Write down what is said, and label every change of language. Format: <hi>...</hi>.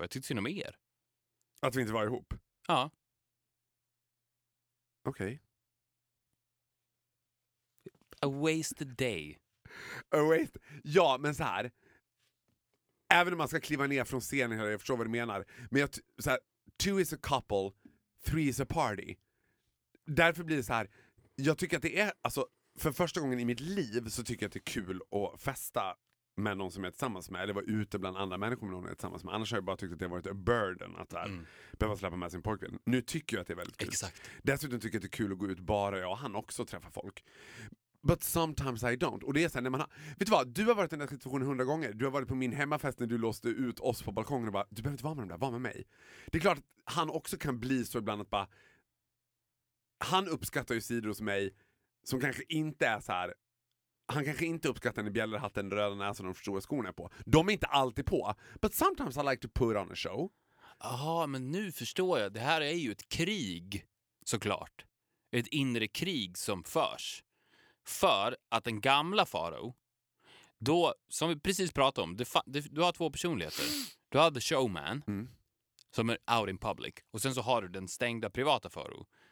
<sv>Jag tyckte synd om er. Att vi inte var ihop? Ja. Okej.</sv> <en>A wasted day.</en> <sv>A waste. Ja, men så här. Även om man ska kliva ner från scenen här, jag förstår vad du menar.</sv> <en>Men jag, så här, two is a couple, three is a party.</en> <sv>Därför blir det så här. Jag tycker att det är, alltså, för första gången i mitt liv så tycker jag att det är kul att festa med någon som är tillsammans med. Eller vara ute bland andra människor med någon som är tillsammans med. Annars har jag bara tyckt att det har varit a burden att här, behöva släppa med sin pojkvän. Nu tycker jag att det är väldigt kul. Exakt. Dessutom tycker jag att det är kul att gå ut bara jag och han också och träffa folk. But sometimes I don't. Och det är så här, när man har, vet du vad, du har varit i den här situationen 100 gånger. Du har varit på min hemmafest när du låste ut oss på balkongen och bara, du behöver inte vara med dem där, var med mig. Det är klart att han också kan bli så ibland att bara, han uppskattar ju sidor hos mig som kanske inte är så här. Han kanske inte uppskattar när bjällerhatten, röda näsan och de stora skorna är på. De är inte alltid på.</sv> <en>But sometimes I like to put on a show.</en> <sv>Jaha, men nu förstår jag. Det här är ju ett krig, såklart. Ett inre krig som förs. För att den gamla faro, då, som vi precis pratade om, du har två personligheter. Du har the showman, som är out in public. Och sen så har du den stängda privata faro.</sv>